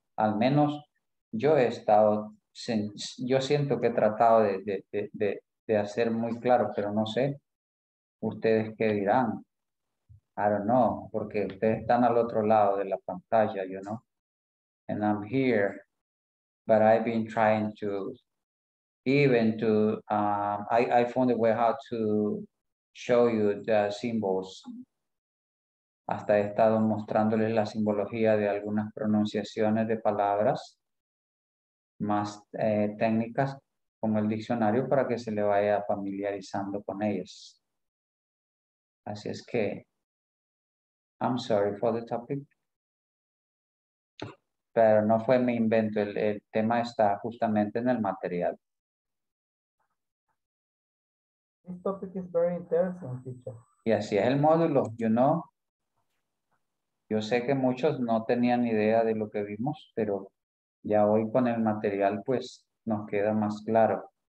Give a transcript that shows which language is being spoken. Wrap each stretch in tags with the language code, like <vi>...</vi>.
<es>Al menos yo he estado, yo siento que he tratado de hacer muy claro, pero no sé ustedes qué dirán.</es> <en>I don't know,</en> <es>porque ustedes están al otro lado de la pantalla,</es> <en>you know? And I'm here, but I've been trying to I found a way how to show you the symbols.</en> <es>Hasta he estado mostrándoles la simbología de algunas pronunciaciones de palabras más técnicas como el diccionario para que se le vaya familiarizando con ellas. Así es que,</es> <en>I'm sorry for the topic.</en> <es>Pero no fue mi invento, el tema está justamente en el material.</es> <en>This topic is very interesting, teacher.</en> <es>Y así es el módulo,</es> <en>you know.</en> <es>Yo sé que muchos no tenían idea de lo que vimos, pero ya hoy con el material, pues, nos queda más claro.</es>